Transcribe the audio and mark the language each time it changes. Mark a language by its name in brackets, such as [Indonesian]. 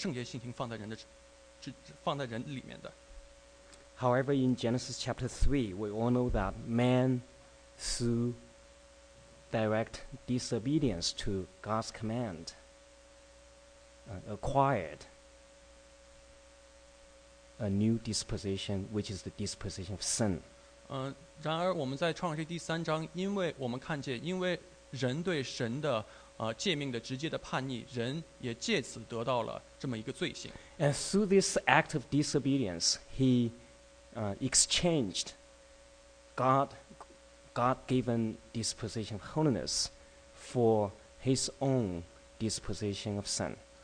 [Chinese] 人被创造的时候，是神是将这样一个圣洁性情放在人里面的。 [English] However, in Genesis chapter 3, we all know that man, through direct disobedience to God's command, acquired a new disposition, which is the disposition of sin. [Chinese] 然而我们在创世纪第三章，因为我们看见，因为人对神的诫命的直接的叛逆，人也借此得到了这么一个罪行。 [English] And through this act of disobedience, he exchanged God-given disposition of holiness for his own disposition of sin.